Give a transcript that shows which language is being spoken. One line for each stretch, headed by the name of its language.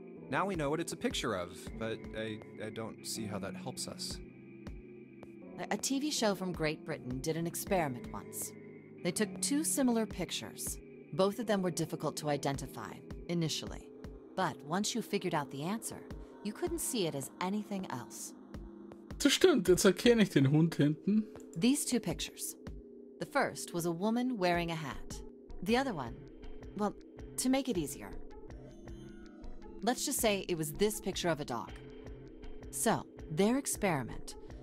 English: Now we know what it's a picture of, but I don't see how that helps us. A TV show from Great Britain did an experiment once. They took two similar pictures. Both of them were difficult to identify, initially. But once you figured out the answer, you couldn't see it as anything else.
German: Das stimmt, jetzt erkenne ich den Hund hinten.
English: These two pictures. The first was a woman wearing a hat. The other one, well, to make it easier. Let's just say it was this picture of a dog. So, their experiment.